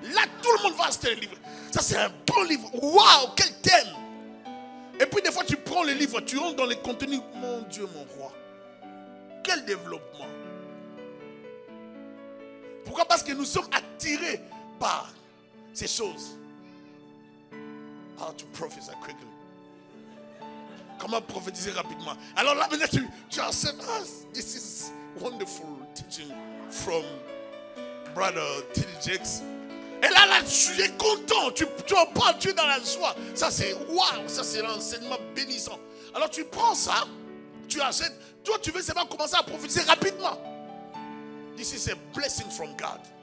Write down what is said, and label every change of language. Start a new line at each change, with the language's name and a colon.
French: Là, tout le monde va acheter le livre. Ça, c'est un bon livre. Waouh, quel thème! Et puis, des fois, tu prends les livres, tu rentres dans les contenus. Mon Dieu, mon roi. Quel développement! Pourquoi? Parce que nous sommes attirés par ces choses.
English: How to prophesy quickly.
French: Comment prophétiser rapidement? Alors là, maintenant, tu as
English: said, oh, this is wonderful teaching from Brother Teddy Jakes.
French: Et là, tu es content. Tu en parles, tu es dans la joie. Ça, c'est waouh, ça, c'est l'enseignement bénissant. Alors, tu prends ça, tu achètes. Toi, tu veux seulement commencer à prophétiser rapidement.
English: This is a blessing from God.